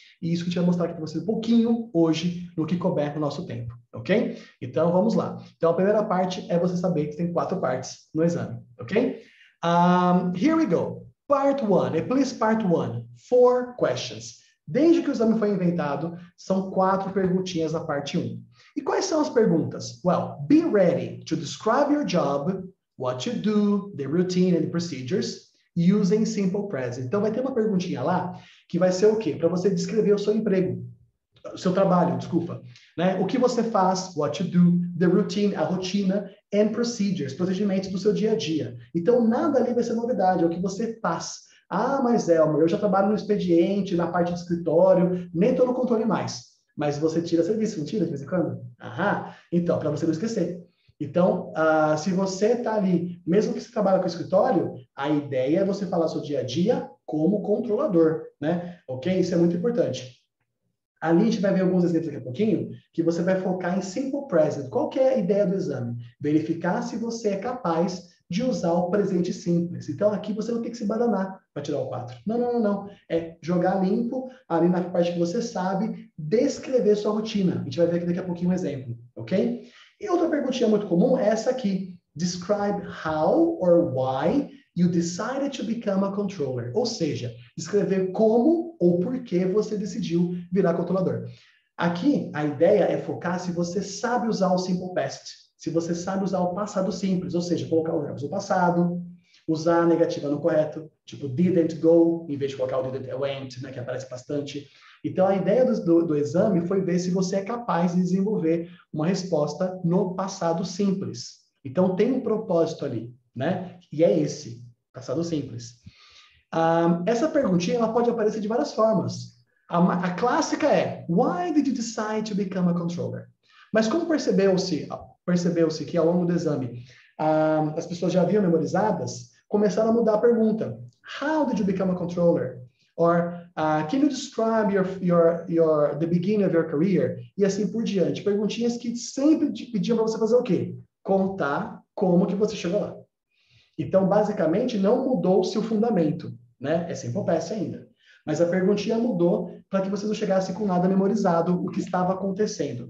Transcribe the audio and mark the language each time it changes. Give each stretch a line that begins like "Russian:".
Portuguese: E isso que eu tinha mostrado aqui para vocês um pouquinho hoje no que couber no nosso tempo, ok? Então vamos lá. Então a primeira parte é você saber que tem 4 partes no exame, ok?
English: Here we go. Part 1, please, part 1. 4 questions.
Portuguese: Desde que o exame foi inventado, são quatro perguntinhas na parte 1. E quais são as perguntas?
English: Well, be ready to describe your job, what you do, the routine and the procedures, using simple present.
Portuguese: Então, vai ter uma perguntinha lá que vai ser o quê? Para você descrever o seu emprego, o seu trabalho, desculpa. Né? O que você faz,
English: what you do, the routine,
Portuguese: a rotina,
English: and procedures,
Portuguese: procedimentos do seu dia a dia. Então, nada ali vai ser novidade, é o que você faz. Ah, mas Elmer, eu já trabalho no expediente, na parte do escritório, nem estou no controle mais. Mas você tira serviço, não tira de vez em quando? Então, para você não esquecer. Então, se você está ali, mesmo que você trabalhe com escritório, a ideia é você falar seu dia a dia como controlador, né? Ok? Isso é muito importante. Ali a gente vai ver alguns exemplos daqui a pouquinho, que você vai focar em simple present. Qual que é a ideia do exame? Verificar se você é capaz de usar o presente simples. Então, aqui você não tem que se bananar para tirar o 4. Não. É jogar limpo ali na parte que você sabe descrever sua rotina. A gente vai ver aqui daqui a pouquinho um exemplo, ok? E outra perguntinha muito comum é essa aqui.
English: Describe how or why you decided to become a controller.
Portuguese: Ou seja, descrever como ou por que você decidiu virar controlador. Aqui, a ideia é focar se você sabe usar o simple past. Se você sabe usar o passado simples, ou seja, colocar o verbo no passado, usar a negativa no correto, tipo didn't go, em vez de colocar o didn't, went, né, que aparece bastante. Então, a ideia do exame foi ver se você é capaz de desenvolver uma resposta no passado simples. Então, tem um propósito ali, né? E é esse, passado simples. Essa perguntinha ela pode aparecer de várias formas. A clássica é:
English: why did you decide to become a controller?
Portuguese: Mas como percebeu-se que ao longo do exame as pessoas já haviam memorizadas, começaram a mudar a pergunta.
English: How did you become a controller? Or, can you describe the beginning of your career?
Portuguese: E assim por diante. Perguntinhas que sempre te pediam para você fazer o quê? Contar como que você chegou lá. Então, basicamente, não mudou-se o fundamento, né? É simple past ainda. Mas a perguntinha mudou para que você não chegasse com nada memorizado o que estava acontecendo.